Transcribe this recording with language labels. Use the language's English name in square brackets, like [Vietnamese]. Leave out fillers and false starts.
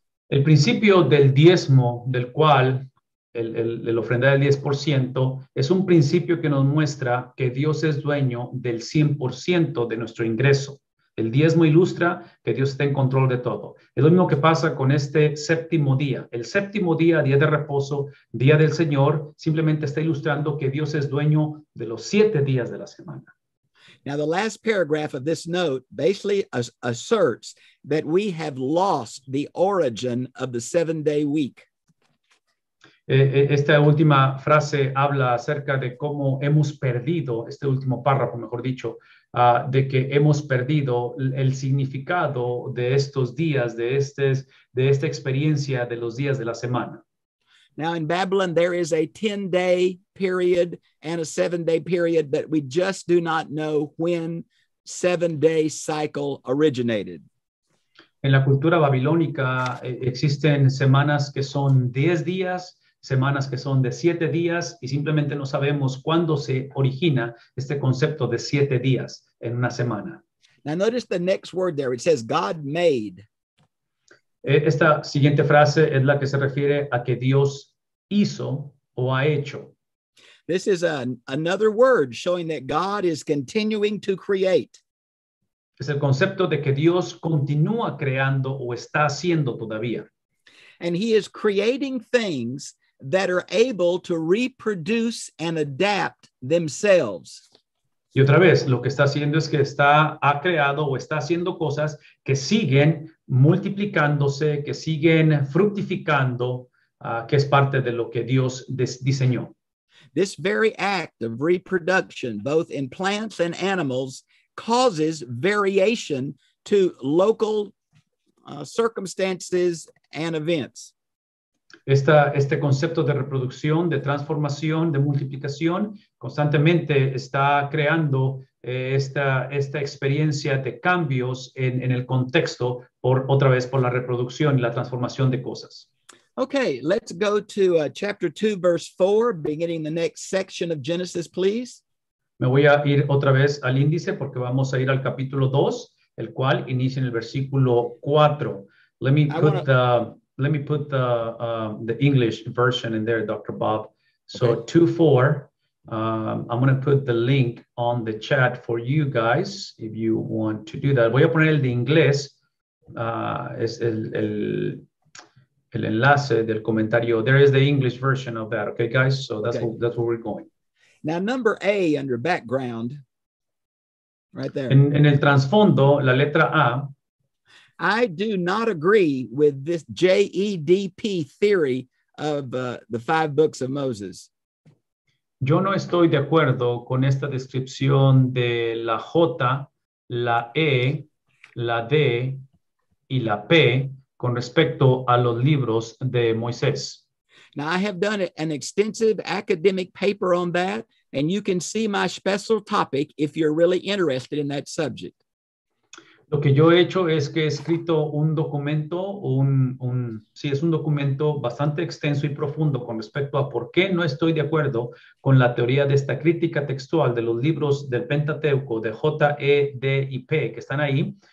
[Spanish] El principio del diezmo, del cual el ofrenda del 10% es un principio que nos muestra que Dios es dueño del 100% de nuestro ingreso. El diezmo ilustra que Dios está en control de todo. Es lo mismo que pasa con este séptimo día. El séptimo día, día de reposo, día del Señor, simplemente está ilustrando que Dios es dueño de los 7 días de la semana. [English] Now, the last paragraph of this note basically asserts that we have lost the origin of the seven-day week. [Spanish] Esta última frase habla acerca de cómo hemos perdido, este último párrafo, mejor dicho, de que hemos perdido el significado de estos días, de esta experiencia de los días de la semana. [English] Now in Babylon, there is a 10-day period and a 7-day period, but we just do not know when 7-day cycle originated. [Spanish] En la cultura babilónica existen semanas que son 10 días, semanas que son de 7 días, y simplemente no sabemos cuándo se origina este concepto de 7 días en una semana. [English] Now notice the next word there. It says God made. [Spanish] Esta siguiente frase es la que se refiere a que Dios hizo o ha hecho. [English] This is another word showing that God is continuing to create. [Spanish] Es el concepto de que Dios continúa creando o está haciendo todavía. [English] And he is creating things that are able to reproduce and adapt themselves. [Spanish] Y otra vez, lo que está haciendo es que está, ha creado o está haciendo cosas que siguen multiplicándose, que siguen fructificando, que es parte de lo que Dios diseñó. [English] This very act of reproduction, both in plants and animals, causes variation to local circumstances and events. [Spanish] Este concepto de reproducción, de transformación, de multiplicación, constantemente está creando esta experiencia de cambios en el contexto, por otra vez, por la reproducción y la transformación de cosas. [English] Okay, let's go to chapter 2, verse 4, beginning the next section of Genesis, please. [Spanish] Me voy a ir otra vez al índice porque vamos a ir al capítulo 2, el cual inicia en el versículo 4. [English] Let me put the English version in there, Dr. Bob. So okay. 2:4, I'm going to put the link on the chat for you guys if you want to do that. [Spanish] Voy a poner el de inglés, es el enlace del comentario. [English] There is the English version of that, okay, guys? So that's okay. That's where we're going. Now, number A under background, right there. [Spanish] En el trasfondo, la letra A. [English] I do not agree with this JEDP theory of the five books of Moses. [Spanish] Yo no estoy de acuerdo con esta descripción de la J, la E, la D y la P con respecto a los libros de Moisés. [English] Now, I have done an extensive academic paper on that, and you can see my special topic if you're really interested in that subject. [Spanish] Lo que yo he hecho es que he escrito un documento, es un documento bastante extenso y profundo con respecto a por qué no estoy de acuerdo con la teoría de esta crítica textual de los libros del Pentateuco, de J, E, D y P, que están ahí.